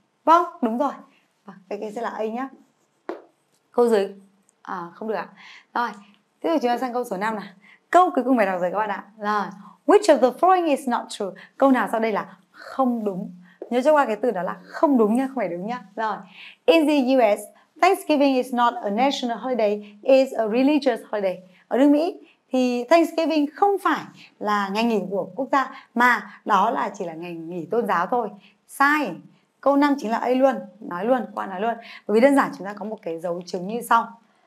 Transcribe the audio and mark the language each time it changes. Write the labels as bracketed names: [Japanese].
[Vietnamese] Vâng, đúng rồi. Cái sẽ là A nhá. Câu dưới. À, không được ạ. Rồi, tiếp theo chúng ta sang câu số 5 nào. Câu cuối cùng phải đọc rồi các bạn ạ. Rồi. [English] Which of the following is not true? [Vietnamese] Câu nào sau đây là không đúng? Nhớ cho qua cái từ đó là không đúng nhá, không phải đúng nhá. Rồi. [English] In the US, Thanksgiving is not a national holiday, it's a religious holiday. [Vietnamese] Ở nước Mỹ thì Thanksgiving không phải là ngày nghỉ của quốc gia mà đó là chỉ là ngày nghỉ tôn giáo thôi. Sai. Câu 5 chính là A luôn, nói luôn, qua nói luôn. Bởi vì đơn giản chúng ta có một cái dấu chứng như sau.